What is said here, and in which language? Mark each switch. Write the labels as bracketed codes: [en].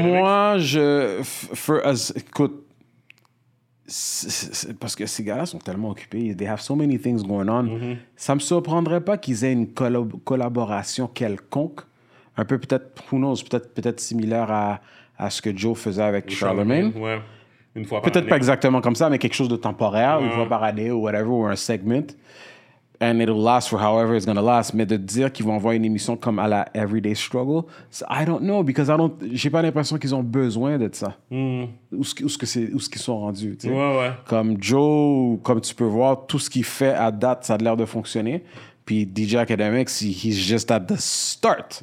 [fr] West? Moi, écoute, c'est parce que ces gars-là sont tellement occupés, [en] they have so many things going on. [fr] Ça me surprendrait pas qu'ils aient une collaboration quelconque, un peu peut-être, [en] who knows, [fr] peut-être similaire à ce que Joe faisait avec Charlemagne. Ouais. Une fois par peut-être année. Pas exactement comme ça, mais quelque chose de temporaire, une fois par année ou whatever, ou un segment. [en] And it'll last for however it's gonna last. [fr] Mais de dire qu'ils vont envoyer une émission comme à la Everyday Struggle, [en] I don't know, because [fr] j'ai pas l'impression qu'ils ont besoin de ça. Où ce qu'ils sont rendus, tu sais. Ouais, ouais. Comme Joe, comme tu peux voir, tout ce qu'il fait à date, ça a l'air de fonctionner. Puis DJ Academics, [en] he's just at the start.